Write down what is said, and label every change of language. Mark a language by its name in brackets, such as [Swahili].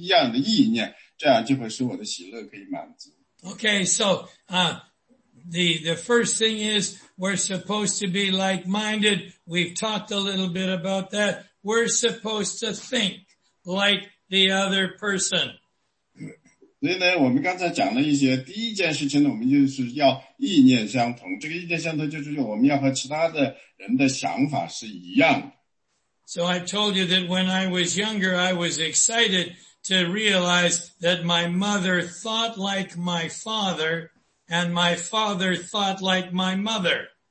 [Chinese] 所以呢,这里说呢,如果第一节里的事发生,你们就要意念相同,第一个,第二个是爱心相同,第三个是有一样的心思,第四个是有一样的意念,这样就会使我的喜乐可以满足。 [English] Okay, so, the first thing is, we're supposed to be like-minded. We've talked a little bit about that. We're supposed to think like the other person. [Chinese] 所以呢,我们刚才讲了一些,第一件事情呢,我们就是要意念相同,这个意念相同就是我们要和其他的人的想法是一样的。So [English] I told you that when I was younger, I was excited to realize that my mother thought like my father, and my father thought like my mother.